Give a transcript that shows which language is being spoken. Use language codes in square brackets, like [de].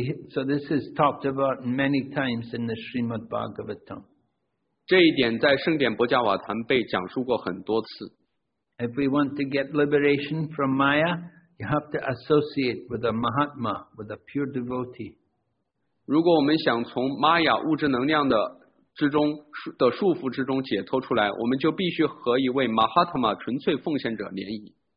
[en] So this is talked about many times in the Srimad Bhagavatam. [zh] 这一点在圣典博迦瓦坛被讲述过很多次。 [en] If we want to get liberation from Maya, you have to associate with a Mahatma, with a pure devotee. [zh] 如果我们想从 Maya 物质能量的束缚之中解脱出来，我们就必须和一位 Mahatma 纯粹奉献者联谊。